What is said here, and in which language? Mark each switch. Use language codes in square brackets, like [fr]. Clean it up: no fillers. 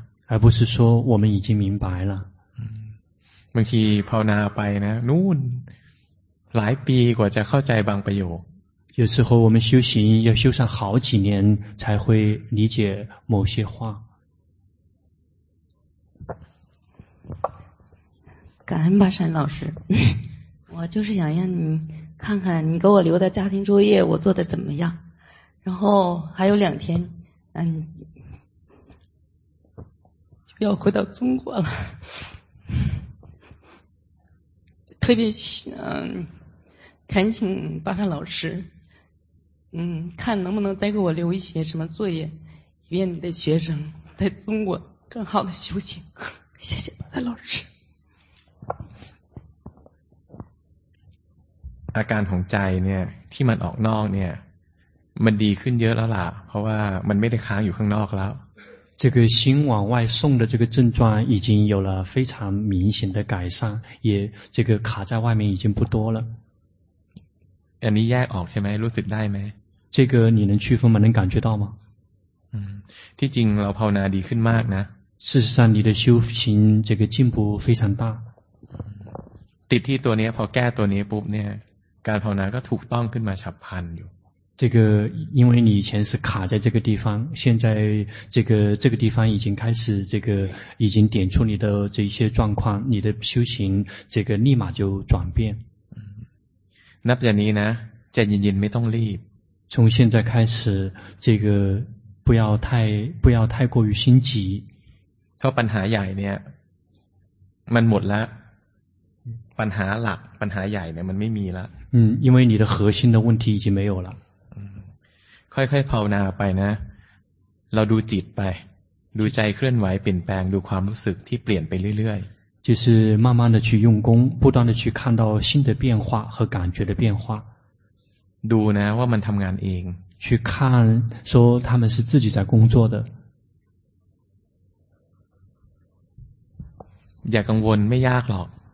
[zh] 而不是说我们已经明白了。 [th] บางทีภาวนาไปนะนู่นหลายปีกว่าจะเข้าใจบางประโยค。 [zh] 有时候我们修行要修上好几年才会理解某些话。感恩巴山老师。我就是想让你看看你给我留的家庭作业我做的怎么样然后还有两天嗯就要回到中国了特别想恳请巴山老师嗯看能不能再给我留一些什么作业以便你的学生在中国更好的修行谢谢巴山老师 [th] อาการของใจเนี่ยที่มันออกนอกเนี่ยมันดีขึ้นเยอะแล้วล่ะเพราะว่ามันไม่ได้ค้างอยู่ข้างนอกแล้ว [zh] 这个心往外送的这个症状已经有了非常明显的改善也这个卡在外面已经不多了 [th] อันนี้แยกออกใช่ไหมรู้สึกได้ไหม [zh] 这个你能区分吗能感觉到吗 [th] ที่จริงเราภาวนาดีขึ้นมากนะ [zh] 事实上你的修行这个进步非常大 [th] ติดที่ตัวนี้พอแก้ตัวนี้ปุ๊บเนี่ยการภาวนาก็ถูกต้องขึ้นมาฉับพลันอยู่ [zh] 这个因为你以前是卡在这个地方，现在这个地方已经开始这个已经点出你的这些状况，你的修行这个立马就转变。那不然你呢？在你也没动力。从现在开始，这个不要太过于心急。他问题大呢，它没了。问题大，问题大呢，它没有了。因为你的核心的问题已经没有了。 [th] ค่อยๆภาวนาไปนะเราดูจิตไปดูใจเคลื่อนไหวเปลี่ยนแปลงดูความรู้สึกที่เปลี่ยนไปเรื่อย [zh] ๆ就是慢慢的去用功不断的去看到心的变化和感觉的变化 [th] ดูนะว่ามันทำงานเอง [zh] 去看说他们是自己在工作的 [th] อย่ากังวลไม่ยากหรอก